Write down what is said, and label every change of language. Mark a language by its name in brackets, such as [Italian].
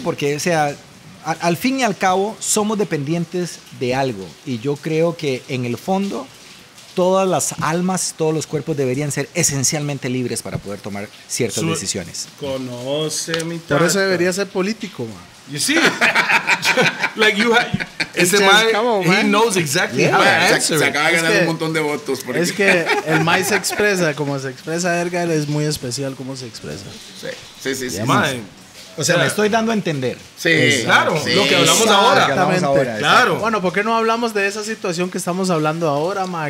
[Spanish] Porque, o sea, al fin y al cabo, somos dependientes de algo. Y yo creo que, en el fondo, todas las almas, todos los cuerpos deberían ser esencialmente libres para poder tomar ciertas decisiones. Conoce mi tata. Por eso debería ser político, man. [English] You see, like you have, [Spanish] este mae, [English] he knows exactly how to answer. [Spanish] Se acaba de ganar un montón de votos. Porque es que el mae se expresa, como se expresa Edgar, es muy especial como se expresa. Sí. Mae. O sea, me estoy dando a entender. Sí, claro. Sí. Lo que hablamos ahora. Exactamente. Claro. Bueno, ¿por qué no hablamos de esa situación que estamos hablando ahora, mae?